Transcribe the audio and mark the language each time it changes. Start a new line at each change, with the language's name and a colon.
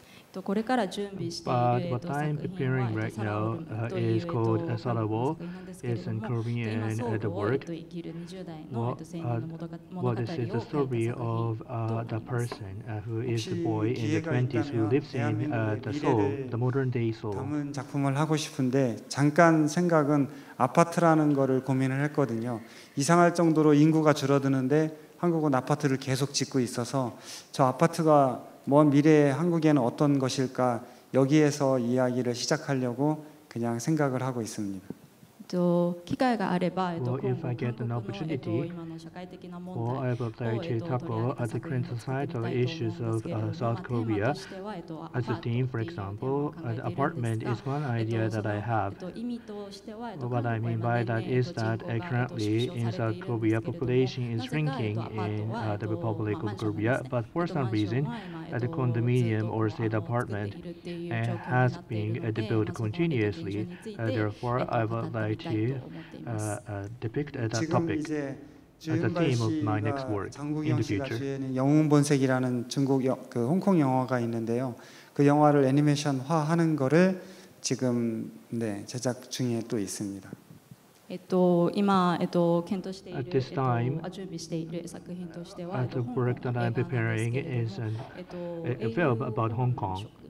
English: But what I'm preparing right now is called Salawo. It's in Korean at the work. This is the story of the person who is the boy in the 20s who lives in the Seoul, the modern day Seoul.
Korean: 다음 작품을 하고 싶은데 잠깐 생각은 아파트라는 거를 고민을 했거든요. 이상할 정도로 인구가 줄어드는데 한국은 아파트를 계속 짓고 있어서 저 아파트가먼 미래에 한국에는 어떤 것일까 여기에서 이야기를 시작하려고 그냥 생각을 하고 있습니다
English: Well, if I get an opportunity, I would like to tackle the current societal issues of South Korea as a theme, for example. The apartment is one idea that I have. What I mean by that is that currently in South Korea, population is shrinking in the Republic of Korea, but for some reason, the condominium or state apartment has been built continuously. Therefore, I would like to depict that topic as the theme of my next work in the future.
Korean: 영웅 본색이라는 중국 그 홍콩 영화가 있는데요. 그 영화를 애니메이션화 하는 거를 지금 네 제작 중에 또 있습니다.
Japanese: 今検討している準備している作品としては、
English: the work that I'm preparing is a film about Hong Kong.